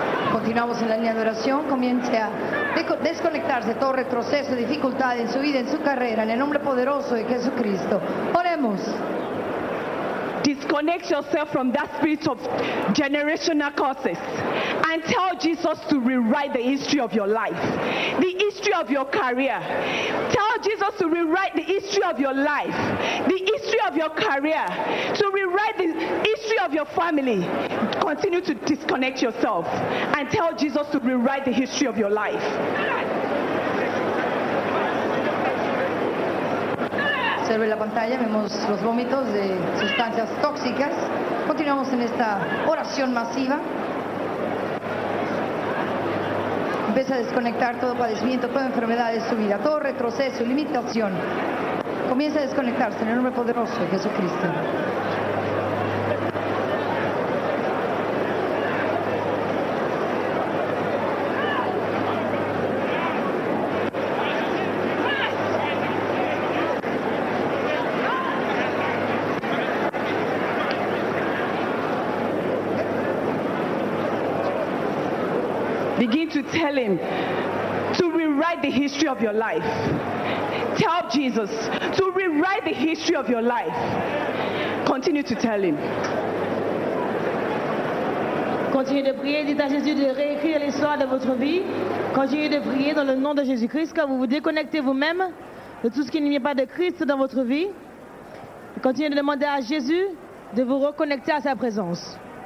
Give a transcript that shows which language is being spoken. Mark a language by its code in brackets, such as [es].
[es] Continuamos en la línea de oración, comience a desconectarse de todo retroceso, dificultad en su vida, en su carrera, en el nombre poderoso de Jesucristo. Oremos. [en] Disconnect yourself from that spirit of generational curses and tell Jesus to rewrite the history of your life, the history of your career. Tell Jesus to rewrite the history of your life, the history of your career, to rewrite the history of your family. Continue to disconnect yourself and tell Jesus to rewrite the history of your life. [es] Observe la pantalla, vemos los vómitos de sustancias tóxicas. Continuamos en esta oración masiva. Empieza a desconectar todo padecimiento, toda enfermedad de su vida, todo retroceso, limitación. Comienza a desconectarse en el nombre poderoso de Jesucristo. [en] Tell him to rewrite the history of your life. Tell Jesus to rewrite the history of your life. Continue to tell him. [fr] Continue de prier, dites à Jésus de réécrire l'histoire de votre vie. Continue de prier dans le nom de Jésus-Christ que vous vous déconnectez vous-même de tout ce qui n'est pas de Christ dans votre vie. Continue de demander à Jésus de vous reconnecter à sa présence.